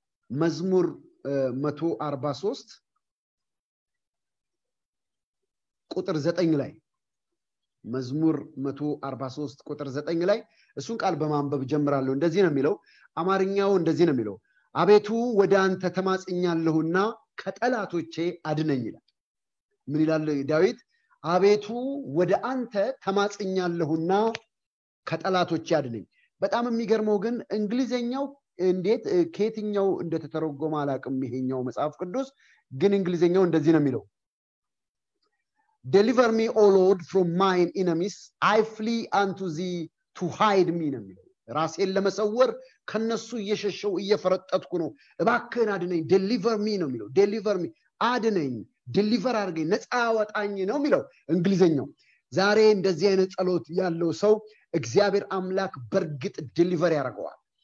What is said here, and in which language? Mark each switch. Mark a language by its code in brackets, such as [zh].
[am] መዝሙር 143 ቁጥር 9 ላይ መዝሙር 143 ቁጥር 9 ላይ እሱን ቃል በማንበብ ጀምራለሁ እንደዚህ ነው የሚለው አማርኛው እንደዚህ ነው የሚለው አቤቱ ወደ አንተ ተማጽኛለሁና ከጠላቶቼ አድነኝ ይላል ምን ይላል ዳዊት አቤቱ ወደ አንተ ተማጽኛለሁና ከጠላቶቼ አድነኝ በጣም የሚገርመው ግን እንግሊዘኛው እንዴት ከየትኛው እንደተተረጎመ አላቅም ይሄኛው መጽሐፍ ቅዱስ ግን እንግሊዘኛው እንደዚህ ነው የሚለው [en] Deliver me, O Lord, from mine enemies. I flee unto thee to hide me. [am] ራሴን ለመሰወር ከነሱ እየሸሸው እየፈረጠጥኩ ነው እባክህን አድነኝ [en] deliver me [am] ነው የሚለው deliver me አድነኝ deliver አድርገኝ ነፃ አውጣኝ ነው የሚለው እንግሊዘኛው ዛሬ እንደዚህ አይነት ጸሎት ያለው ሰው እግዚአብሔር አምላክ በርግጥ deliver ያደርገዋል